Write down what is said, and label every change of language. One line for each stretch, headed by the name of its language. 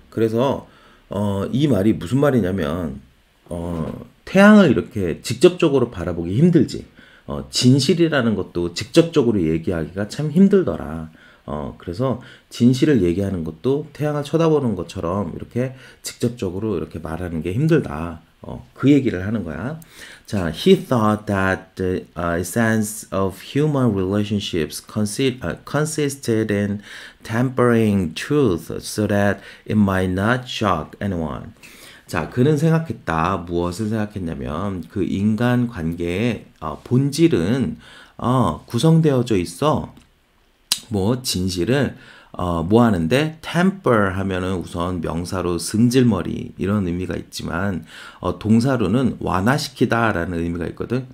Korean: 그래서, 이 말이 무슨 말이냐면, 태양을 이렇게 직접적으로 바라보기 힘들지. 진실이라는 것도 직접적으로 얘기하기가 참 힘들더라. 그래서 진실을 얘기하는 것도 태양을 쳐다보는 것처럼 이렇게 직접적으로 이렇게 말하는 게 힘들다. 그 얘기를 하는 거야.
English: 자, he thought that the essence of human relationships consisted in tempering truth so that it might not shock anyone.
Korean: 자, 그는 생각했다. 무엇을 생각했냐면, 그 인간 관계의 본질은, 구성되어져 있어. 뭐, 진실을, 뭐 하는데, temper 하면은 우선 명사로 승질머리, 이런 의미가 있지만, 동사로는 완화시키다라는 의미가 있거든.